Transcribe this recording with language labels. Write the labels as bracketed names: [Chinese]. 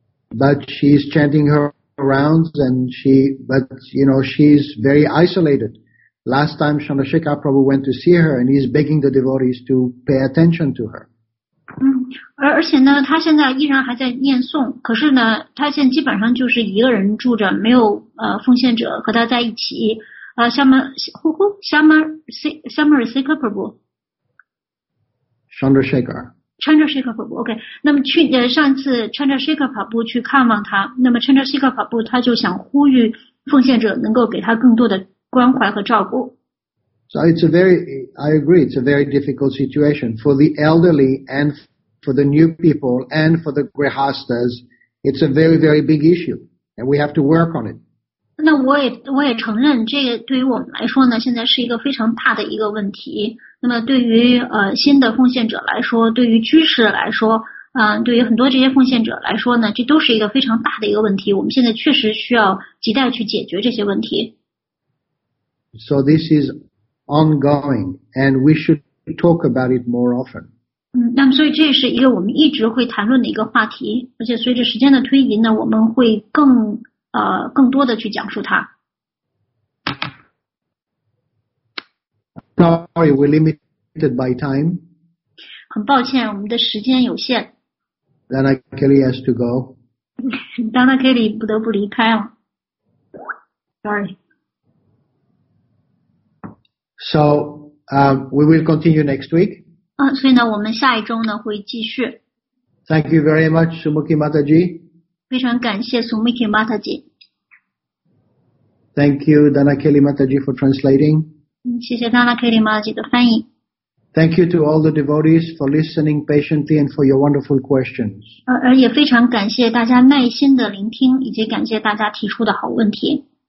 [English] But she's chanting her rounds and she's very isolated. Last time Chandrasekhar Prabhu went to see her and he's begging the devotees to pay attention to her. [Chinese] 而且呢他现在依然还在念诵，可是呢他现在基本上就是一个人住着，没有奉献者和他在一起。 [English] Chandrasekhar Prabhu, OK。 [Chinese] 那么去上次 Chandrasekhar Prabhu 去看望他，那么 Chandrasekhar Prabhu 他就想呼吁奉献者能够给他更多的关怀和照顾。 [English] So it's a very, I agree, it's a very difficult situation for the elderly and for the new people and for the grihasthas. It's a very, very big issue and we have to work on it. [Chinese] 那我也承认这个对于我们来说呢现在是一个非常大的一个问题。那么对于新的奉献者来说，对于居士来说，对于很多这些奉献者来说呢，这都是一个非常大的一个问题。我们现在确实需要亟待去解决这些问题。 [English] So this is ongoing, and we should talk about it more often. [Chinese] 那么所以这是一个我们一直会谈论的一个话题，而且随着时间的推移呢，我们会更多的去讲述它。 [English] Sorry, we're limited by time. [Chinese] 很抱歉，我们的时间有限。 [English] Dana Kelly has to go. [Chinese] Dana Kelly 不得不离开了。 [English] Sorry. So, we will continue next week. [Chinese] 所以呢我们下一周呢会继续。 [English] Thank you very much, Sumukhi Mataji. [Chinese] 非常感谢 Sumukhi Mataji. [English] Thank you, Dana Kelly Mataji, for translating. [Chinese] 谢谢 Dana Kelly Mataji 的翻译。 [English] Thank you to all the devotees for listening patiently and for your wonderful questions. [Chinese] 而也非常感谢大家耐心的聆听以及感谢大家提出的好问题。